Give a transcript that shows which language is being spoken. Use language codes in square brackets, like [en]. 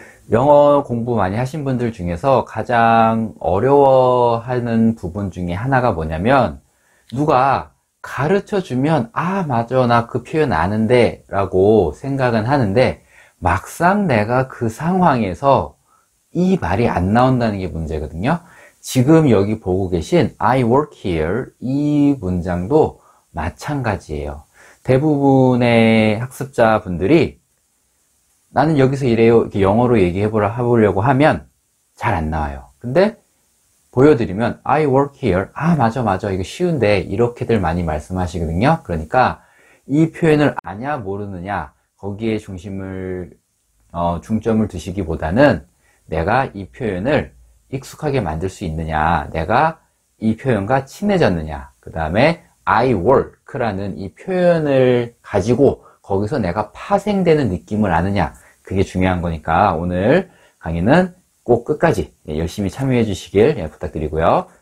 [ko] 영어 공부 많이 하신 분들 중에서 가장 어려워하는 부분 중에 하나가 뭐냐면, 누가 가르쳐 주면, 아, 맞아, 나그 표현 아는데, 라고 생각은 하는데, 막상 내가 그 상황에서 이 말이 안 나온다는 게 문제거든요. 지금 여기 보고 계신 [en] I work here [ko] 이 문장도 마찬가지예요. 대부분의 학습자분들이 나는 여기서 일해요, 이렇게 영어로 해보려고 하면 잘안 나와요. 근데 보여드리면, [en] I work here. [ko] 아, 맞아, 맞아. 이거 쉬운데. 이렇게들 많이 말씀하시거든요. 그러니까, 이 표현을 아냐, 모르느냐, 거기에 중점을 두시기보다는, 내가 이 표현을 익숙하게 만들 수 있느냐, 내가 이 표현과 친해졌느냐, 그 다음에, I work라는 이 표현을 가지고, 거기서 내가 파생되는 느낌을 아느냐, 그게 중요한 거니까, 오늘 강의는 꼭 끝까지 열심히 참여해 주시길 부탁드리고요.